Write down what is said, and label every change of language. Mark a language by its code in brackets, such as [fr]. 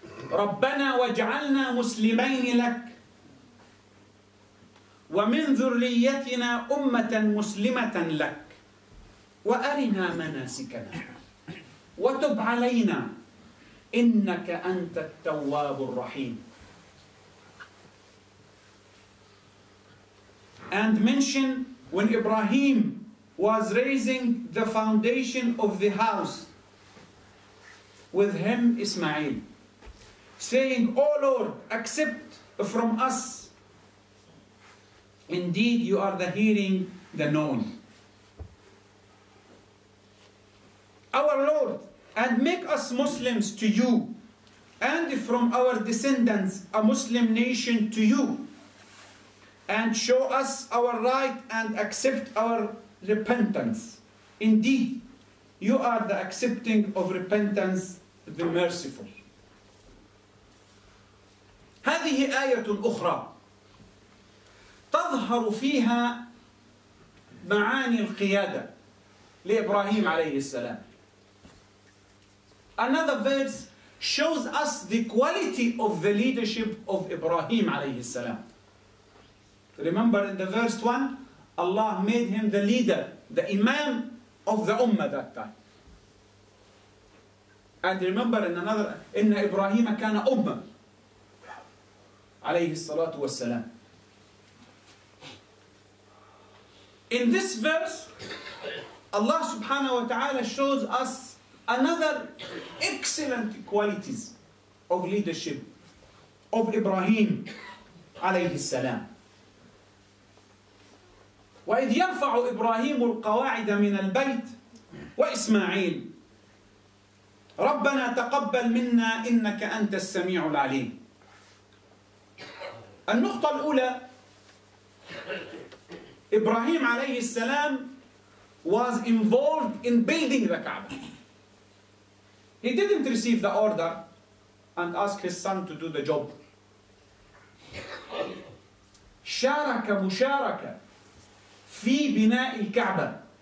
[ar] ربنا واجعلنا مسلمين لك ومن ذريتنا أمة مسلمة لك وأرنا مناسكنا وتب علينا إنك أنت التواب الرحيم. [en] And mention when Ibrahim was raising the foundation of the house with him Ismail, saying, O Lord, accept from us. Indeed, you are the hearing, the known. Our Lord, and make us Muslims to you, and from our descendants a Muslim nation to you, and show us our right and accept our repentance. Indeed, you are the accepting of repentance, the merciful. [ar] هذه آية أخرى تظهر فيها معاني القيادة لإبراهيم عليه السلام. [en] Another verse shows us the quality of the leadership of Ibrahim [ar] عليه السلام. [en] Remember in the first one, Allah made him the leader, the imam of the ummah that time. And remember in another, [ar] إن إبراهيم كان أمة عليه الصلاة والسلام. [en] In this verse, Allah [ar] subhanahu wa ta'ala [en] shows us another excellent qualities of leadership of Ibrahim [ar] عليه السلام. وإذ يرفع إبراهيم القواعد من البيت وإسماعيل ربنا تقبل منا إنك أنت السميع العليم. النقطة الأولى, إبراهيم عليه السلام [en] was involved in building the Kaaba. He didn't receive the order and ask his son to do the job. [ar] شارك مشاركة في بناء الكعبة.